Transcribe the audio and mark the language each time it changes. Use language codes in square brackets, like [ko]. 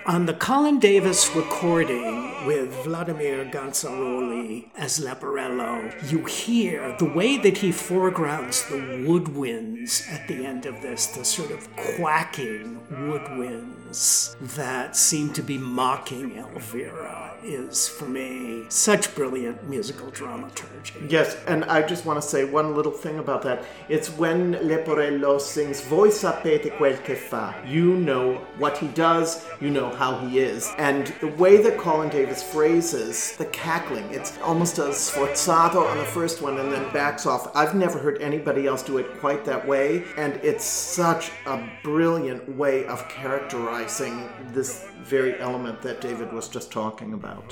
[en] On the Colin Davis recording with Vladimir Ganzaroli as Leporello, you hear the way that he foregrounds the woodwinds at the end of this, the sort of quacking woodwinds that seem to be mocking Elvira, is for me such brilliant musical dramaturgy. Yes, and I just want to say one little thing about that. It's when Leporello sings, [it] "Voi sapete quel che fa." [en] You know what he does, you know how he is. And the way that Colin Davis phrases the cackling, it's almost a sforzato on the first one and then backs off. I've never heard anybody else do it quite that way. And it's such a brilliant way of characterizing this very element that David was just talking about.